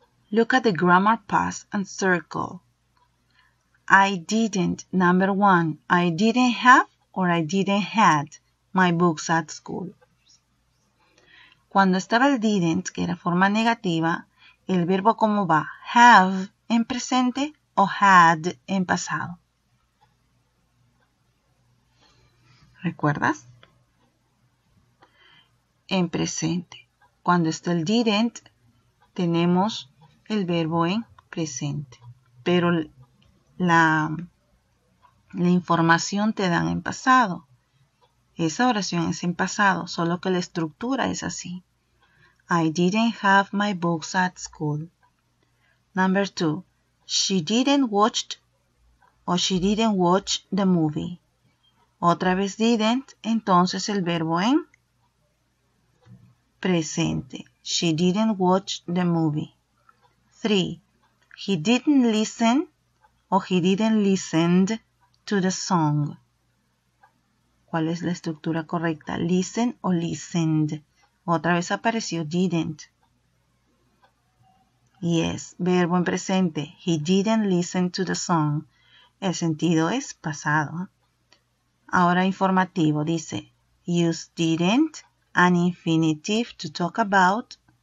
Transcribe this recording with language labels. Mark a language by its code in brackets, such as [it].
[en] Look at the grammar pass and circle. I didn't, number one, I didn't have or I didn't had my books at school. [es] Cuando estaba el didn't, que era forma negativa, el verbo ¿cómo va? Have en presente o had en pasado. ¿Recuerdas? En presente. Cuando está el didn't, tenemos el verbo en presente. Pero la información te dan en pasado. Esa oración es en pasado, solo que la estructura es así. [en] I didn't have my books at school. Number two. She didn't watch or she didn't watch the movie. [es] Otra vez didn't, entonces el verbo en presente. [en] She didn't watch the movie. Three. He didn't listen or he didn't listened to the song. [es] ¿Cuál es la estructura correcta? Listen o listened. Otra vez apareció didn't. Yes, verbo en presente. [en] He didn't listen to the song. [es] El sentido es pasado. Ahora informativo. Dice, [en] use didn't, an infinitive to talk about.